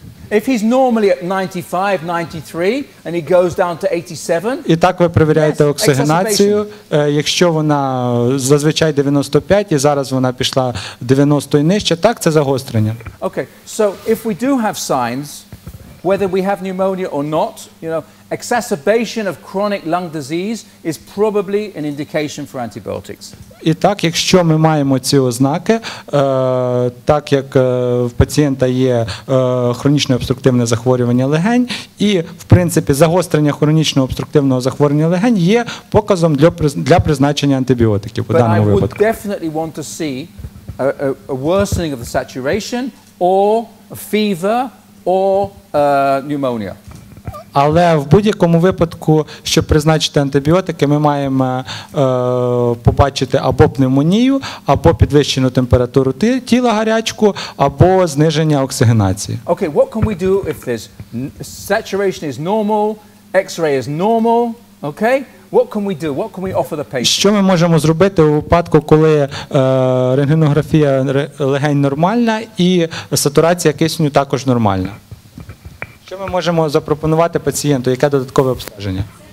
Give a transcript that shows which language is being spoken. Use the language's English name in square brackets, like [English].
[English] If he's normally at 95, 93 and he goes down to 87? [Ukrainian] І так ви перевіряєте оксигенацію. Якщо вона зазвичай 95 і зараз вона пішла 90 і нижче, так це загострення. [English] Okay. So if we do have signs whether we have pneumonia or not, you know, exacerbation of chronic lung disease is probably an indication for antibiotics. [Ukrainian] І так, якщо ми маємо ці ознаки, так як в пацієнта є хронічне обструктивне захворювання легень, і, в принципі, загострення хронічного обструктивного захворювання легень є показом для призначення антибіотиків у даному випадку. [English] But I would definitely want to see a worsening of the saturation or a fever or pneumonia. [Ukrainian] Але в будь-якому випадку, щоб призначити антибіотики, ми маємо побачити або пневмонію, або підвищену температуру тіла гарячку, або зниження оксигенації. [English] Okay, what can we do if this saturation is normal, X-ray is normal, okay? What can we do? What can we offer the patient? [Ukrainian] Що ми можемо зробити у випадку, коли рентгенографія легень нормальна і сатурація кисню також нормальна? Що ми можемо запропонувати пацієнту? Яке додаткове обстеження?